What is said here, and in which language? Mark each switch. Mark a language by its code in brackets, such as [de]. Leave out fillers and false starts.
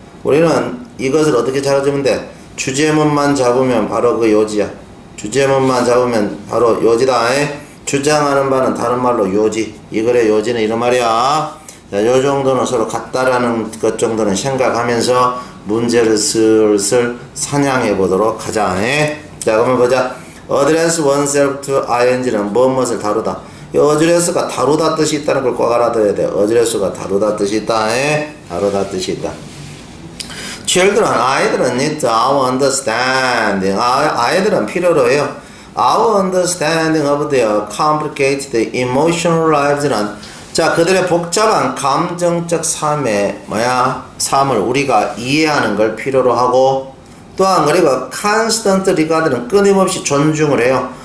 [ko] 우리는 이것을 어떻게 잡으면 돼? 주제문만 잡으면 바로 그 요지야. 주제문만 잡으면 바로 요지다. 주장하는 바는 다른 말로 요지. 이글의 요지는 이런 말이야. 자, 요 정도는 서로 같다라는 것 정도는 생각하면서 문제를 슬슬 사냥해 보도록 하자. 자, 그러면 보자. [en] Address oneself to ING는 [ko] 무엇을 다루다? 이 어드레스가 다루다 뜻이 있다는 걸꼭 알아둬야 돼. 어드레스가 다루다 뜻이 있다. 다루다 뜻이 있다. [en] Children, [ko] 아이들은 [en] need our understanding. [ko] 아이들은 필요로 해요. [en] Our understanding of their complicated emotional lives는 [ko] 자, 그들의 복잡한 감정적 삶의 뭐야? 삶을 우리가 이해하는 걸 필요로 하고 또한 그리고 [en] constant regard [ko] 는 끊임없이 존중을 해요.